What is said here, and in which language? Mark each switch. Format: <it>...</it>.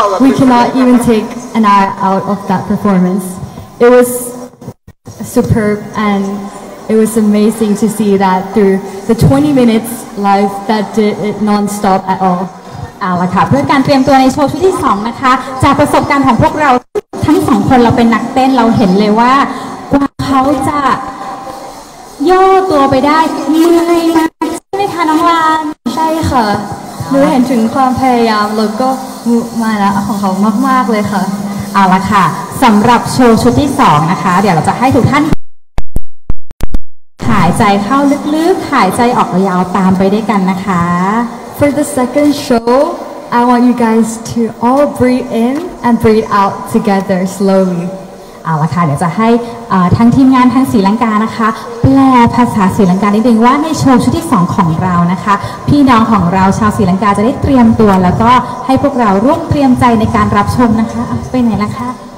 <en>We cannot even take an hour out of that performance. It was superb and it was amazing to see that through the 20 minutes live that did it non-stop at all.</en> <th>เอาละค่ะเพื่อการเตรียมตัวในโชว์ชุดที่2นะคะจากประสบการณ์ของพวกเราทั้ง2คนเราเป็นนักเต้นเราเห็นเลยว่าว่าเขาจะย่อตัวไปได้เหนื่อยมากใช่ไหมคะน้องลาน ใช่ค่ะรู้เห็นถึงความพยายามแล้วก็มุมาละของเขามากๆเลยค่ะ เอาละค่ะสำหรับโชว์ชุดที่2นะคะเดี๋ยวเราจะให้ทุกท่านหายใจเข้าลึกๆหายใจออกยาวตามไปด้วยกันนะคะ</th> <en>For the second show I want you guys to all breathe in and breathe out together slowly</en> <th>เอาละค่ะเดี๋ยวจะให้ทั้งทีมงานทั้งศรีลังกานะคะแปลภาษาศรีลังกานิดนึงว่าในโชว์ชุดที่2ของเรานะคะพี่น้องของเราชาวศรีลังกาจะได้เตรียมตัวแล้วก็ให้พวกเราร่วมเตรียมใจในการรับชมนะคะไปไหนล่ะคะ</th>